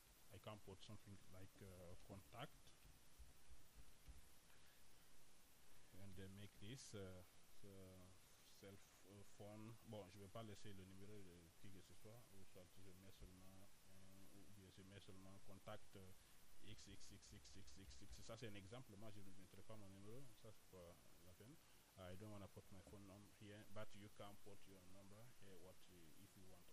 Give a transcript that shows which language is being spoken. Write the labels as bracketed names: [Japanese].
[English] I can put something like contact and then make this cell phone. [French] Bon, je vais pas laisser le numéro de qui que ce soit, ou soit je mets seulement contact XXXXXXX. Ça, c'est un exemple. Moi, je ne mettrai pas mon numéro. Ça, c'est pas la peine. [English] I don't want to put my phone number here, but you can put your number here what if you want.